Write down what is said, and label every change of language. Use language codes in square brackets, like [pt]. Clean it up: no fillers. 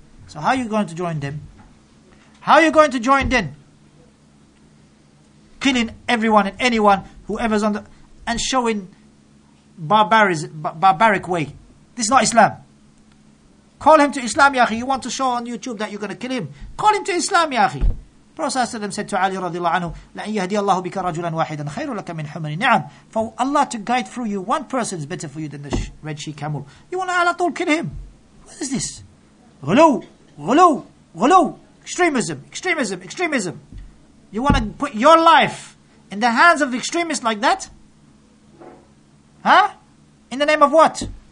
[en] So how are you going to join them? How are you going to join them? Killing everyone and anyone, whoever's on the, and showing barbaric way. This is not Islam. Call him to Islam, Yahi. You want to show on YouTube that you're going to kill him? Call him to Islam, Yahi. Prophet said to Ali radiallahu anhu, [ar] لَأَنْ يَهْدِيَ اللَّهُ بِكَ رَجُلًا وَاحِدًا خَيْرُ لَكَ مِنْ حُمَنِ نِعَمٍ. [en] For Allah to guide through you, one person is better for you than the red she camel. You want to ala tul kill him? What is this? Ghulu, ghulu, ghulu. Extremism, extremism, extremism. You want to put your life in the hands of extremists like that? Huh? In the name of what?